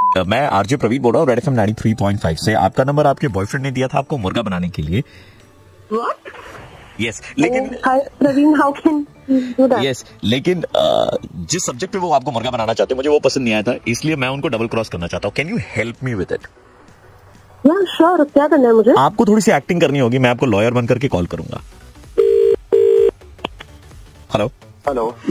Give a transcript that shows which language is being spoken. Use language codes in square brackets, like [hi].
[hi] मैं आरजे प्रवीण बोल रहा हूँ, रेड एफएम 93.5 से। आपका नंबर आपके बॉयफ्रेंड ने दिया था आपको मुर्गा बनाने के लिए। [en] What? [hi] Yes, लेकिन [en] Praveen, how can you do that? [hi] Yes, लेकिन जिस सब्जेक्ट पे वो आपको मुर्गा बनाना चाहते हैं मुझे वो पसंद नहीं आया था, इसलिए मैं उनको डबल क्रॉस करना चाहता हूँ। [en] Can you help me with it? Yeah, sure. [hi] क्या करना है मुझे? आपको थोड़ी सी एक्टिंग करनी होगी, मैं आपको लॉयर बनकर के कॉल करूंगा। [en] hello hello